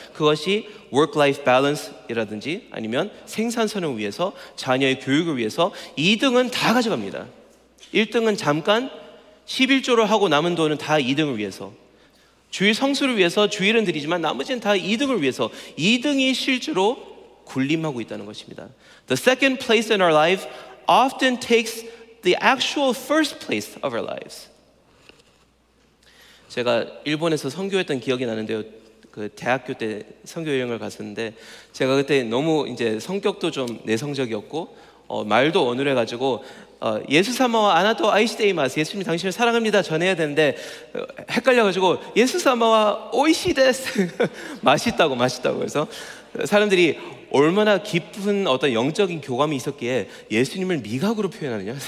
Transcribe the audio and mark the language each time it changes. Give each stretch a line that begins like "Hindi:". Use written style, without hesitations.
Korean: 그것이 work-life balance이라든지 아니면 생산성을 위해서 자녀의 교육을 위해서 2등은 다 가져갑니다. 1등은 잠깐 11조를 하고 남은 돈은 다 2등을 위해서 주일 성수를 위해서 주일은 드리지만 나머지는 다 2등을 위해서 2등이 실제로 군림하고 있다는 것입니다.
English: The second place in our life often takes the actual first place of our lives.
Korean: 제가 일본에서 선교했던 기억이 나는데요. 그 대학교 때 선교 여행을 갔었는데 제가 그때 너무 이제 성격도 좀 내성적이었고 말도 어눌해가지고
Japanese: 예수 사마와 아나토 아이시데이마스
Korean: 예수님 당신을 사랑합니다 전해야 되는데 헷갈려가지고
Japanese: 예수 사마와 오이시데스
Korean: 맛있다고 그래서 사람들이 얼마나 깊은 어떤 영적인 교감이 있었기에 예수님을 미각으로 표현하느냐?